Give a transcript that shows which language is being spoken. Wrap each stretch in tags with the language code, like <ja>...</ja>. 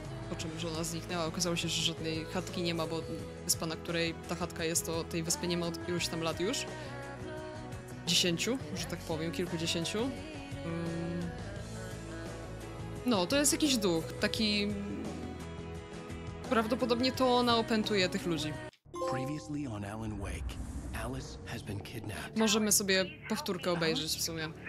<pl>Po czym żona zniknęła, okazało się, że żadnej chatki nie ma, bo wyspa, na której ta chatka jest, to tej wyspy nie ma od iluś tam lat już. Dziesięciu, że tak powiem, kilkudziesięciu. No, to jest jakiś duch, taki... Prawdopodobnie to ona opętuje tych ludzi.</pl> <en>Previously on Alan Wake, Alice has been kidnapped.</en> <pl>Możemy sobie powtórkę obejrzeć w sumie.</pl>